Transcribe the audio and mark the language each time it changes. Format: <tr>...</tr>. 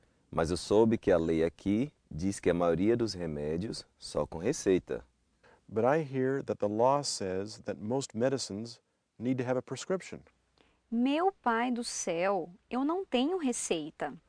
<pt>Mas eu soube que a lei aqui diz que a maioria dos remédios só com receita.</pt> <en>But I hear that the law says that most medicines need to have a prescription.</en> <pt>Meu pai do céu, eu não tenho receita.</pt>